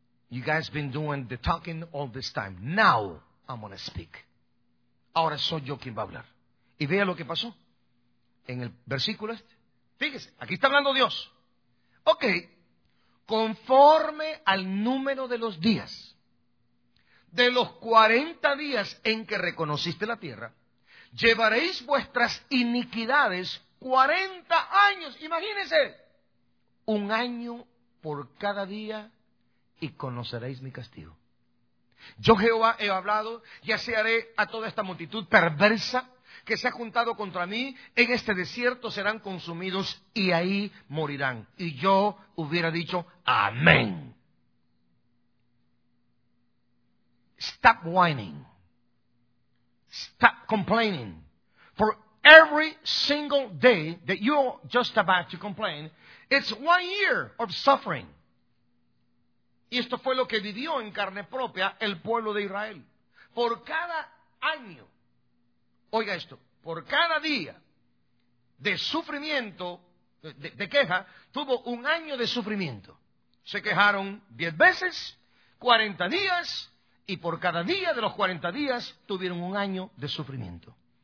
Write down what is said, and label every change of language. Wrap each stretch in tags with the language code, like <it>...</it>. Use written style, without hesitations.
<en>You guys been doing the talking all this time. Now I'm going to speak.</en> <es>Ahora soy yo quien va a hablar. Y vea lo que pasó en el versículo este. Fíjese, aquí está hablando Dios. Ok, conforme al número de los días, de los 40 días en que reconociste la tierra, llevaréis vuestras iniquidades 40 años. Imagínense, un año por cada día y conoceréis mi castigo. Yo Jehová he hablado y así haré a toda esta multitud perversa que se ha juntado contra mí. En este desierto serán consumidos y ahí morirán. Y yo hubiera dicho, amén.</es> <en>Stop whining. Stop complaining. For every single day that you're just about to complain, it's 1 year of suffering.</en> <es>Y esto fue lo que vivió en carne propia el pueblo de Israel. Por cada año, oiga esto, por cada día de sufrimiento, de queja, tuvo un año de sufrimiento. Se quejaron 10 veces, 40 días, y por cada día de los 40 días tuvieron un año de sufrimiento.</es>